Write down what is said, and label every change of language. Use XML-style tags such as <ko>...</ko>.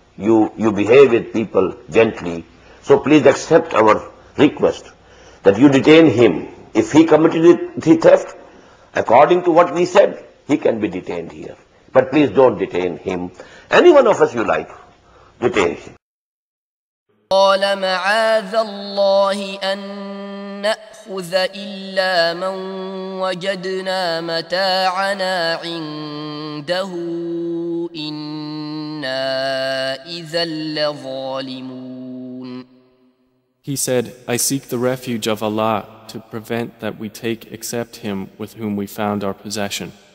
<en>You behave with people gently. So please accept our request that you detain him. If he committed the theft, according to what we said, he can be detained here. But please don't detain him. Any one of us you like, detain him.</en> <ar>قال معاذ الله أن نأخذ إلا من وجدنا متاعنا عنده إنا إذا لظالمون</ar> <en>He said, I seek the refuge of Allah to prevent that we take except him with whom we found our possession.</en>